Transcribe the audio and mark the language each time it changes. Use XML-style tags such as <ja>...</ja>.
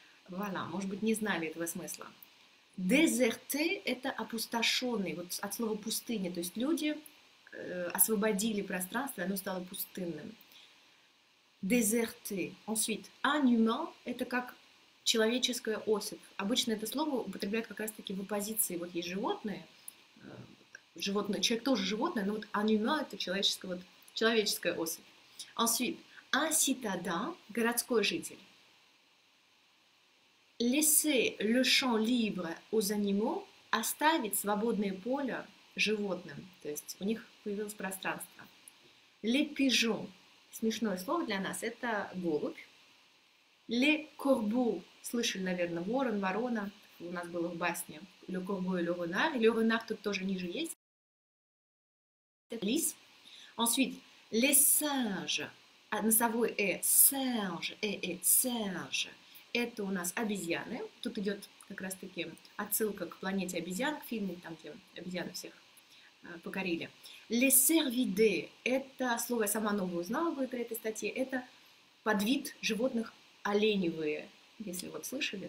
<ru>Voilà, может быть, не знали этого смысла. Дезерте – это опустошенный, вот от слова пустыня, то есть люди освободили пространство, оно стало пустынным. Дезерте.</ru> <fr>Ensuite, un humain</fr> <ru>– это как человеческая особь. Обычно это слово употребляют как раз-таки в оппозиции. Вот есть животное, животное, человек тоже животное, но вот un humain – это человеческая, вот, человеческая особь.</ru> <fr>Ensuite, un citadin –</fr> <ru>городской житель.</ru> <fr>Laisser le champ libre aux animaux,</fr> <ru>оставить свободное поле животным, то есть у них появилось пространство. Les pigeons, смешное слово для нас, это голубь. Les corbeaux, слышали, наверное, ворон, ворона, у нас было в басне.</ru> <fr>Le corbeau et le renard, le renard</fr> <ru>тут тоже ниже есть. Лис.</ru> <fr>Ensuite, les singes,</fr> <ru>носовой</ru> <fr>«э», singe, «э», singe.</fr> <ru>Это у нас обезьяны. Тут идет как раз-таки отсылка к планете обезьян, к фильму, там, где обезьяны всех покорили.</ru> <fr>Les cervidés.</fr> <ru>Это слово, я сама новое узнала бы при этой статье. Это подвид животных оленевые, если вот слышали.</ru>